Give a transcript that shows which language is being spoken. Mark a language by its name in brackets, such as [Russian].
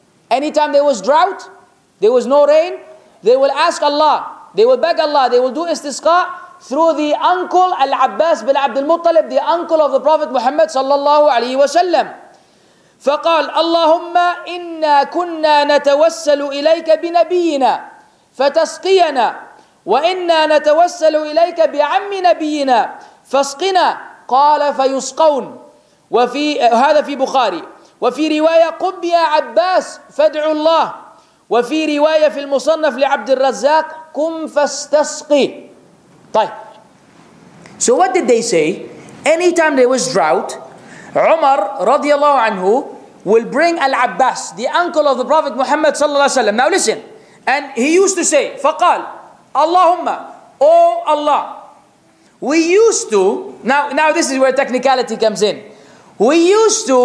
[English] Anytime there was drought, there was no rain, they will ask Allah, they will beg Allah, they will do istisqa through the uncle Al-Abbas bin Abdul Muttalib, the uncle of the Prophet Muhammad sallallahu alayhi wa sallam. [Arabic] فقال اللهم إنا كنا نتوسل إليك بنبينا فتسقينا وإنا نتوسل إليك بعم نبينا فاسقنا قال فيسقون وفي هذا في بخاري وفي رواية قم يا عباس فادعوا الله وفي رواية في المصنف لعبد الرزاق قم فاستسقي. طيب, [English] so what did they say? Anytime there was drought, Umar [Arabic] رضي الله عنه [English] will bring Al-Abbas, the uncle of the Prophet Muhammad sallallahu alaihi wasallam. Now listen, and he used to say, [Arabic] فقال, [English] Allahumma, O Allah, we used to, now this is where technicality comes in, we used to,